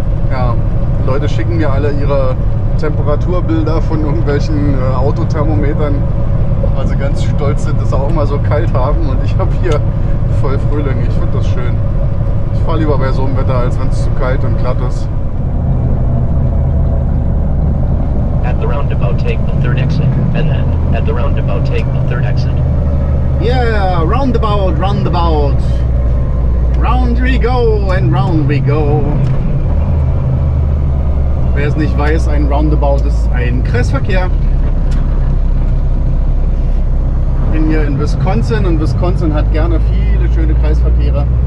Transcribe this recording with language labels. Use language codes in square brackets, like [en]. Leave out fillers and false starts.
[de] Ja, die Leute schicken mir alle ihre Temperaturbilder von irgendwelchen Autothermometern, weil sie ganz stolz sind, dass sie auch mal so kalt haben und ich habe hier voll Frühling. Ich finde das schön. Ich fahre lieber bei so einem Wetter, als wenn es zu kalt und glatt ist. [en] At the roundabout take the third exit and then at the roundabout take the third exit. Yeah, roundabout. Round we go and round we go. [de] Wer es nicht weiß, ein Roundabout ist ein Kreisverkehr. Ich bin hier in Wisconsin und Wisconsin hat gerne viele schöne Kreisverkehre.